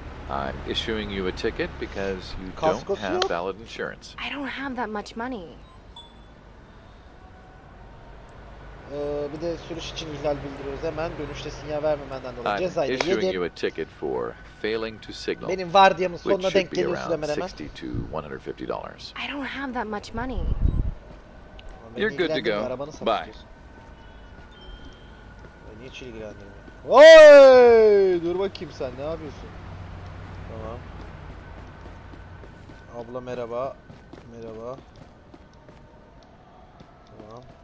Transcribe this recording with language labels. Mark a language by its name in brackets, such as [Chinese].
[English] I'm issuing you a ticket because you don't have valid insurance. I don't have that much money. [Turkish] Bir de sürüş için ihlal bildiriyoruz. Hemen dönüşte sinyal vermemenden dolayı cezayı yedim. [English] I'm issuing you a ticket for failing to signal. [Turkish] Benim vardiyamın sonuna denk geliyor süremen hemen. [English] $60 to $150. I don't have that much money. You're good to go. Bye. [Turkish] Niye hiç ilgilendirmiyor? Oy! Dur bakayım sen, ne yapıyorsun? Tamam. Abla merhaba. Merhaba. Tamam.